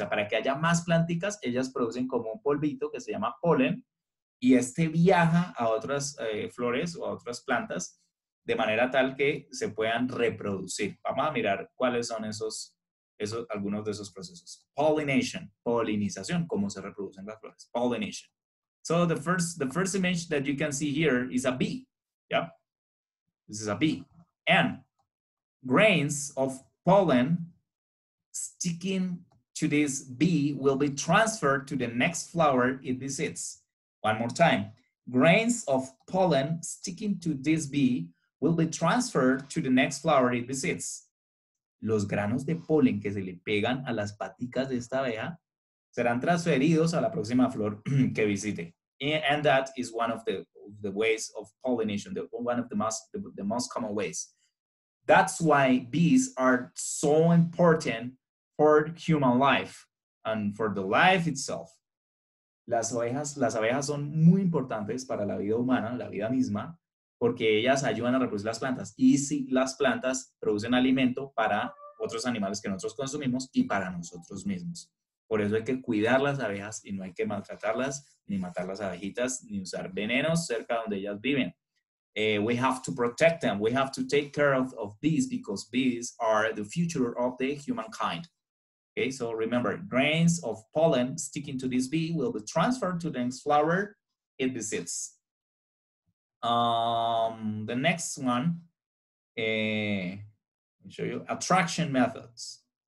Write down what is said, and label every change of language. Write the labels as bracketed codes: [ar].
[es] O sea, para que haya más plantitas, ellas producen como un polvito que se llama polen, y este viaja a otras flores o a otras plantas de manera tal que se puedan reproducir. Vamos a mirar cuáles son algunos de esos procesos. Polinización, cómo se reproducen las flores. Pollination. [en] So the first image that you can see here is a bee. Yeah. This is a bee. And grains of pollen sticking to this bee will be transferred to the next flower it visits. One more time. Grains of pollen sticking to this bee will be transferred to the next flower it visits. [es] Los granos de polen que se le pegan a las paticas de esta abeja serán transferidos a la próxima flor que visite. [en] And that is one of the ways of pollination, one of the most common ways. That's why bees are so important for human life and for the life itself. [es] Las abejas son muy importantes para la vida humana, la vida misma, porque ellas ayudan a reproducir las plantas. Y si las plantas producen alimento para otros animales que nosotros consumimos y para nosotros mismos. Por eso hay que cuidar las abejas y no hay que maltratarlas, ni matar las abejitas, ni usar venenos cerca donde ellas viven. [en] We have to protect them. We have to take care of bees because bees are the future of the humankind. Okay, so remember, grains of pollen sticking to this bee will be transferred to the next flower it visits. The next one, let me show you attraction methods.